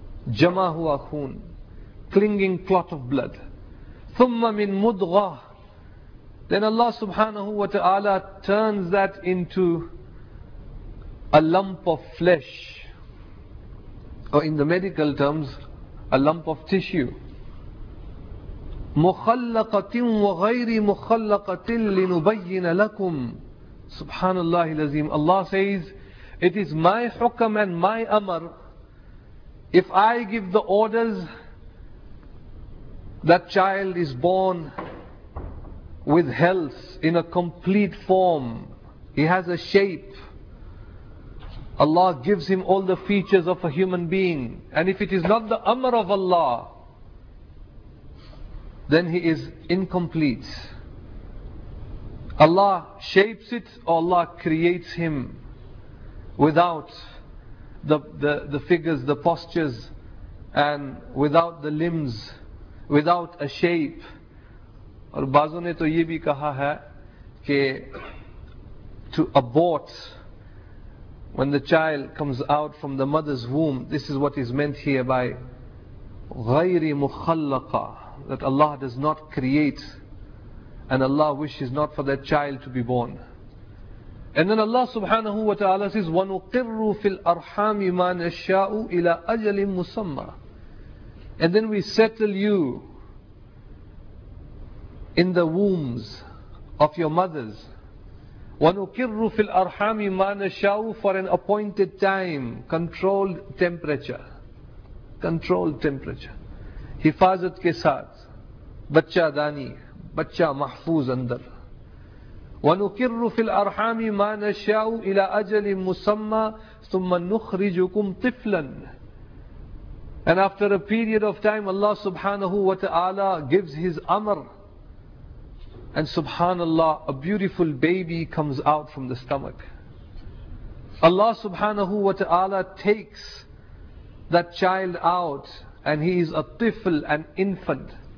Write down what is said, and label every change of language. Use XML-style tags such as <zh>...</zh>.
<ur>Jama huwa khoon,</ur> <en>clinging clot of blood.</en> <ar>Thumma min mudghah.</ar> <en>Then Allah subhanahu wa ta'ala turns that into a lump of flesh, or in the medical terms, a lump of tissue.</en> <ar>مخلقة وغير مخلقة لنبين لكم. سبحان الله العظيم.</ar> <en>Allah says, it is my hukam and my amr. If I give the orders, that child is born with health in a complete form. He has a shape. Allah gives him all the features of a human being. And if it is not the amr of Allah, then he is incomplete. Allah shapes it, or Allah creates him without the figures, the postures, and without the limbs, without a shape.</en> <ur>Aur bazon ne to ye bhi kaha hai ke to</ur> <en>abort, when the child comes out from the mother's womb, this is what is meant here by</en> <ar>غَيْرِ مُخَلَّقَ,</ar> <en>that Allah does not create and Allah wishes not for that child to be born. And then Allah subhanahu wa ta'ala says,</en> <ar>وَنُقِرُّ فِي الْأَرْحَامِ مَا نَشَّاءُ إِلَىٰ أَجَلٍ مُسَمَّى.</ar> <en>And then we settle you in the wombs of your mothers.</en> <ar>وَنُقِرُّ فِي الْأَرْحَامِ مَا نَشَّاءُ,</ar> <en>for an appointed time, controlled temperature. Controlled temperature.</en> <ur>حفاظت کے ساتھ بچہ دانی, بچا محفوظ اندر.</ur> <ar>ونقر في الارحام ما نشاء الى اجل مسمى ثم نخرجكم طفلا.</ar> <en>And after a period of time, Allah subhanahu wa ta'ala gives his amr. And subhanallah, a beautiful baby comes out from the stomach. Allah subhanahu wa ta'ala takes that child out, and he is a tifl, an infant.</en>